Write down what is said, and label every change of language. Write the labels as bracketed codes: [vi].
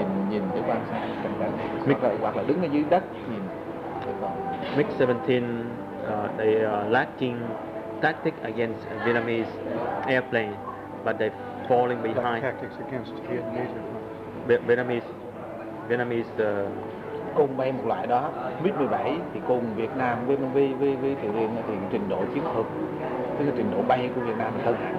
[vi] Nhìn để quan sát cảnh cảnh MiG, hoặc là đứng ở dưới đất nhìn. [en] MiG 17, they are lacking tactics against Vietnamese airplane, but they're falling behind. Tactics against Vietnamese. [vi] Cùng bay một loại đó, MiG 17 thì cùng Việt Nam với Triều Tiên thì trình độ chiến thuật, tức là trình độ bay của Việt Nam hơn.